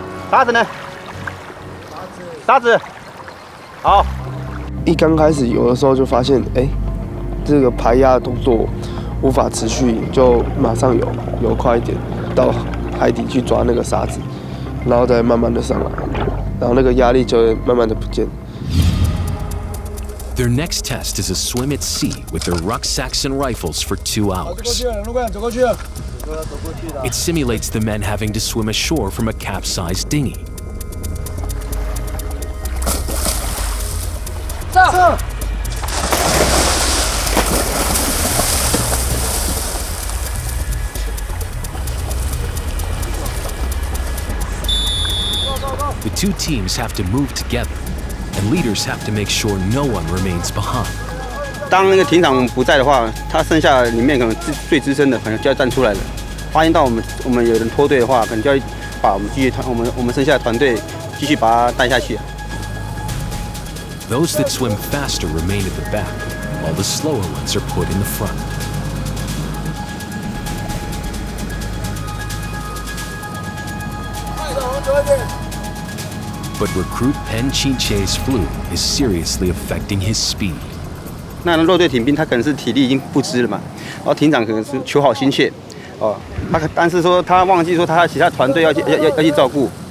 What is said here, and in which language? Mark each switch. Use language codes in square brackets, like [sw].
[zh] 沙子呢？好。一刚开始有的时候就发现，这个排压动作无法持续，就马上游快一点，到海底去抓那个沙子，然后再慢慢的上来，然后那个压力就会慢慢的不见。 [en] Their next test is a swim at sea with their rucksacks and rifles for 2 hours. [zh] 走过去了。 [en] It simulates the men having to swim ashore from a capsized dinghy. [zh] 走。 [en] The two teams have to move together, and leaders have to make sure no one remains behind. [zh] 当那个艇长不在的话，他剩下里面可能最资深的可能就要站出来了。发现到我们有人脱队的话，可能就要把我们剩下的团队继续把他带下去。 [en] Those that swim faster remain at the back, while the slower ones are put in the front. [zh] 快走，快点！ [en] But recruit Pen Qingche's flu is seriously affecting his speed. [zh] 那弱队艇兵他可能是体力已经不支了嘛，然后艇长可能是求好心切，但是说他忘记说他其他团队要去照顾。